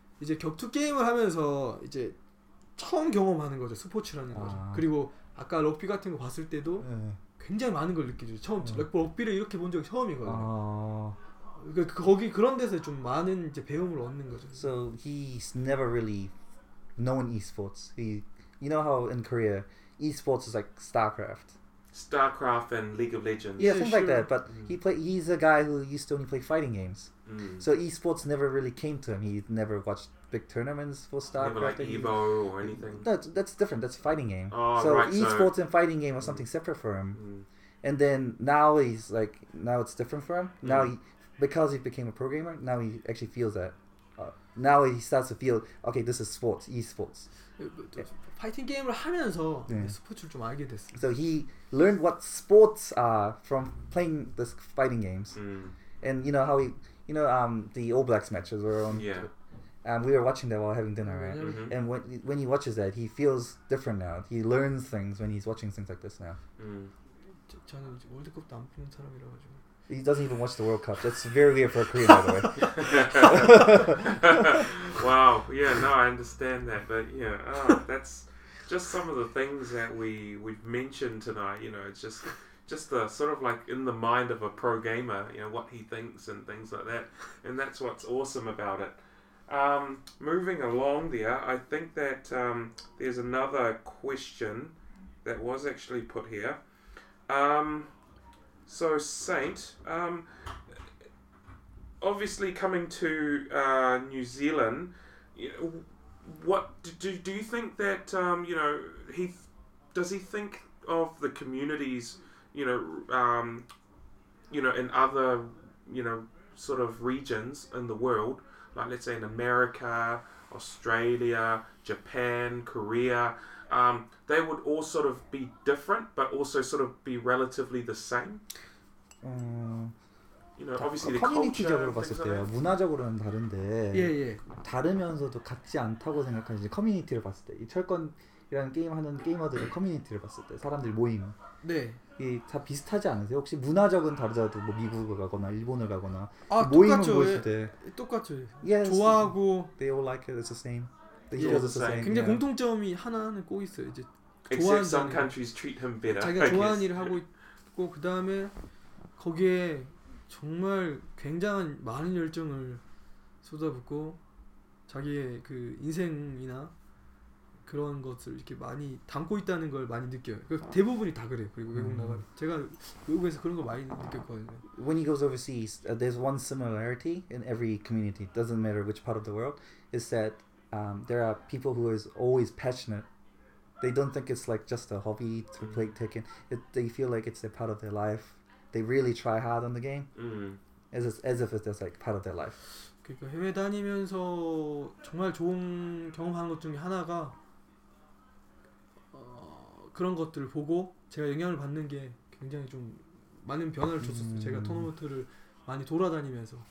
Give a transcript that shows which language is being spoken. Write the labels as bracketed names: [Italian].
[Korean] 이제 격투 게임을 하면서 이제 처음 경험하는 거죠. 스포츠라는 거죠. 아. 그리고 아까 럭비 같은 거 봤을 때도 네. 굉장히 많은 걸 느끼죠. 처음 네. 럭비를 이렇게 본 적이 처음이거든요. 아. 거기 그런 데서 좀 많은 이제 배움을 얻는 거죠. [English] So he's never really known esports. He, you know how in Korea esports is like StarCraft. StarCraft and League of Legends. Yeah, things like that. But he play. He's a guy who used to only play fighting games. Mm. So esports never really came to him. He never watched big tournaments for StarCraft. Never like Evo or anything. That's different. That's fighting game. Oh, right. So esports and fighting game are something separate for him. Mm. And then now he's like now it's different for him. Now he. Because he became a programmer, now he actually feels that. Now he starts to feel, okay, this is sports, e-sports. [Korean] Fighting game을 하면서 스포츠를 좀 알게 됐어요. [English] So he learned what sports are from playing the fighting games. Mm. And you know how he, you know, the All Blacks matches were on. Yeah. We were watching that while having dinner, right? Mm-hmm. And when he watches that, he feels different now. He learns things when he's watching things like this now. Mm. [Korean] 저는 이제 월드컵도 안 보는 사람이라가지고. [English] He doesn't even watch the World Cup. That's very weird for a Korean, by the way. Wow. Yeah, no, I understand that. But, yeah, that's just some of the things that we've mentioned tonight. You know, it's just the sort of like in the mind of a pro gamer, you know, what he thinks and things like that. And that's what's awesome about it. Moving along there, I think that there's another question that was actually put here. So, Saint, obviously coming to New Zealand, what do you think that, you know, does he think of the communities, you know, in other, you know, sort of regions in the world, like let's say in America, Australia, Japan, Korea, they would all sort of be different, but also sort of be relatively the same? You know, obviously the culture [Korean] 봤을 때 문화적으로는 다른데 [English] yeah, yeah. [Korean] 다르면서도 같지 않다고 생각하는 이제 커뮤니티를 봤을 때 이 철권이라는 게임 하는 게이머들의 커뮤니티를 봤을 때 사람들 모임 네 이 다 비슷하지 않으세요? 혹시 문화적은 다르더라도 뭐 미국을 가거나 일본을 가거나 아, 모임은 보였을 때 똑같죠. [English] Yes, [Korean] 좋아하고 [English] they all like it. It's the same. They all the same. [Korean] 굉장히 [English] yeah. [Korean] 공통점이 하나는 꼭 있어요. 이제 [English] 좋아하는 Except some countries treat him better. [Korean] 자기가 좋아하는 일을 하고 있고 그 다음에 거기에 정말 굉장한 많은 열정을 쏟아붓고 자기의 그 인생이나 그런 것을 이렇게 많이 담고 있다는 걸 많이 느껴요. 대부분이 다 그래요. 그리고 외국 나가 제가 외국에서 그런 거 많이 느꼈거든요. [English] When he goes overseas, there's one similarity in every community. Doesn't matter which part of the world. Is that there are people who is always passionate. They don't think it's like just a hobby to play Tekken. They feel like it's a part of their life. They really try hard on the game, as if it's just like part of their life. [Korean] 그러니까 해외 다니면서 정말 좋은 경험한 것 중에 하나가 그런 것들을 보고 제가 영향을 받는 게 굉장히 좀 많은 변화를 줬었어요. 제가 토너먼트를 많이 돌아다니면서.